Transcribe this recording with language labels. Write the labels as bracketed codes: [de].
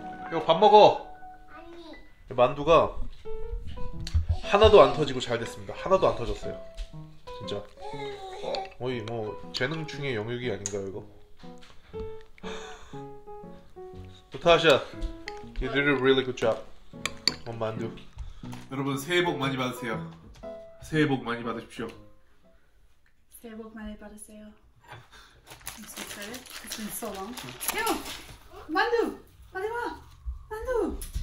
[ko] 형 밥 먹어. 아니. 만두가 하나도 안 터지고 잘 됐습니다. 하나도 안 터졌어요. 진짜. 어이 뭐 재능 중의 영역이 아닌가요 이거? [en] 타샤, you did a really good job. [ko] 엄 만두. 여러분 새해 복 많이 받으세요. 새해 복 많이 받으십시오. 새해 복 많이 받으세요. [en] I'm so excited. It's been so long. [ko] 태용! 만두! 빨리 와! 만두!